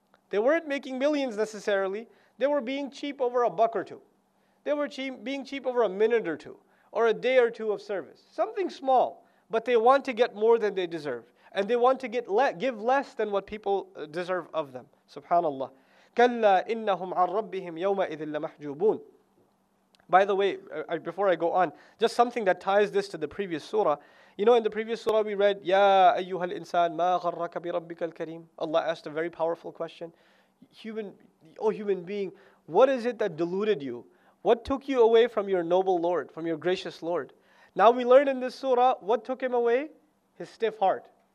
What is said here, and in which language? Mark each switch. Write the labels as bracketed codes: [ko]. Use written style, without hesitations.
[en] They weren't making millions necessarily. They were being cheap over a buck or two. They were being cheap over a minute or two. Or a day or two of service. Something small. But they want to get more than they deserve. And they want to give less than what people deserve of them. Subhanallah. [ar] كلا إنهم عن ربهم يومئذ لمحجوبون. [en] By the way, before I go on, just something that ties this to the previous surah. You know, in the previous surah we read, [ar] يَا أَيُّهَا الْإِنسَانِ مَا غَرَّكَ بِرَبِّكَ الْكَرِيمِ. [en] Allah asked a very powerful question. Human being, what is it that deluded you? What took you away from your noble Lord, from your gracious Lord? Now we learn in this surah, what took him away? His stiff heart.